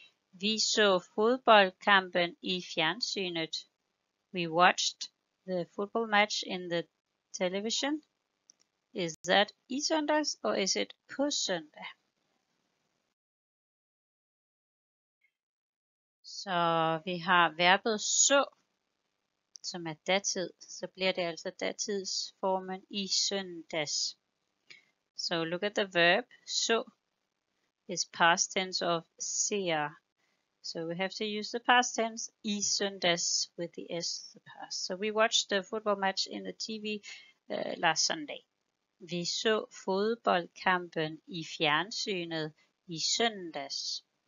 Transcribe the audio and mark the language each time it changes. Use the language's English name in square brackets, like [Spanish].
[Danish] Vi så fodboldkampen i fjernsynet. [English] We watched the football match in the television. Is that i søndags, or is it på søndag? [Danish] Så vi har verbet så, som er datid. Så bliver det altså datidsformen i søndags. [English] So look at the verb. Så is past tense of ser. So we have to use the past tense, i søndags, with the s, the past. So we watched the football match in the TV last Sunday. [Danish] Vi så fodboldkampen i fjernsynet i søndags.